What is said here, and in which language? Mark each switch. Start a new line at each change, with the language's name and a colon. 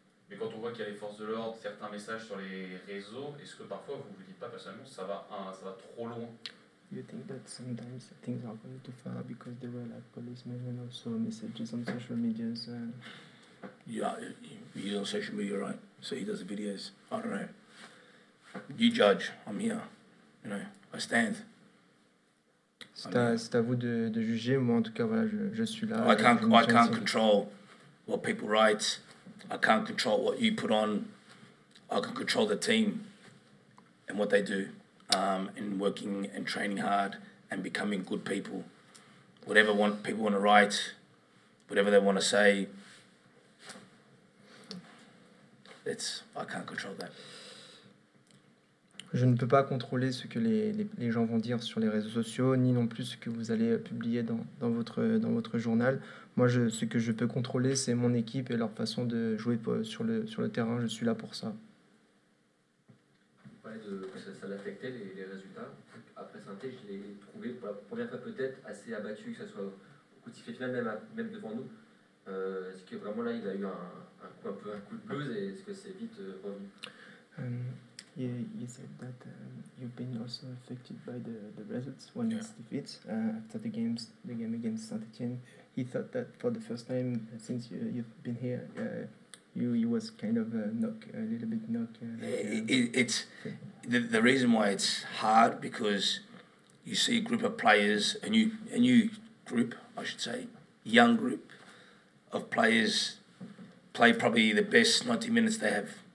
French: Mais quand on voit qu'il y a les forces de l'ordre, certains messages sur les réseaux, est-ce que parfois vous ne vous dites pas personnellement que ça va trop loin?
English: You think that sometimes things are going too far because there were like policemen and also messages on social media? Yeah, he's on social media, right? So he does the videos. I don't know. You judge. I'm here. You know, I stand.
French: C'est à vous de juger. Moi, en tout cas, voilà, je suis là.
English: I can't control what people write. I can't control what you put on. I can control the team and what they do, and working and training hard and becoming good people. Whatever people want to write, whatever they want to say, I can't control that.
French: Je ne peux pas contrôler ce que les gens vont dire sur les réseaux sociaux, ni non plus ce que vous allez publier dans votre journal. Moi, ce que je peux contrôler, c'est mon équipe et leur façon de jouer sur le terrain. Je suis là pour ça. Vous parlez de que ça l'affectait, les résultats. Après Saint-Étienne, je l'ai trouvé pour la première fois peut-être assez abattu, que ce soit au coup de sifflet final, même devant nous. Est-ce que vraiment là, il a eu un coup de blues, et est-ce que c'est vite revenu?
English: You said that you've been also affected by the results when it's defeats after the game against Saint-Etienne. He thought that for the first time since you've been here, you was kind of a little bit knocked. It's the reason why it's hard, because you see a group of players, a new group, I should say, young group of players play probably the best 90 minutes they have.